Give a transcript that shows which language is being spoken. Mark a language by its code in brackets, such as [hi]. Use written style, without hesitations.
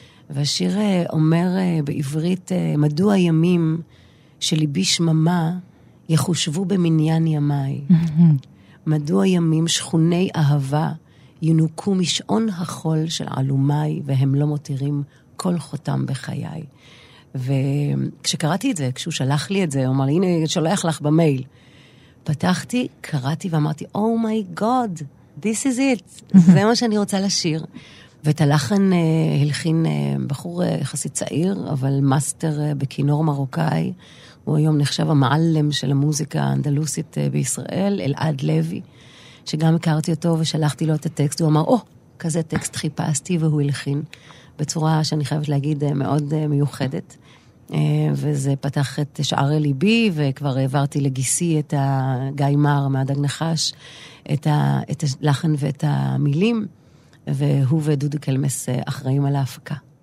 [he] והשיר אומר בעברית, מדוע ימים שליבי שממה יחושבו במניין ימיי? מדוע ימים שכוני אהבה ינוקו משעון החול של עלומיי, והם לא מותירים כל חותם בחיי. וכשקראתי את זה, כשהוא שלח לי את זה, הוא אמר לי, הנה, שולח לך במייל. פתחתי, קראתי ואמרתי, [en] Oh my God, this is it. [he] זה מה שאני רוצה לשיר. ואת הלחן הלחין בחור יחסית צעיר, אבל מאסטר בכינור מרוקאי. הוא היום נחשב המעלם של המוזיקה האנדלוסית בישראל, אלעד לוי. שגם הכרתי אותו ושלחתי לו את הטקסט, הוא אמר, כזה טקסט חיפשתי, והוא הלחין בצורה שאני חייבת להגיד מאוד מיוחדת, וזה פתח את שערי ליבי, וכבר העברתי לגיסי את הגיא מר מהדג נחש, את הלחן ואת המילים, והוא ודודו קלמס אחראים על ההפקה.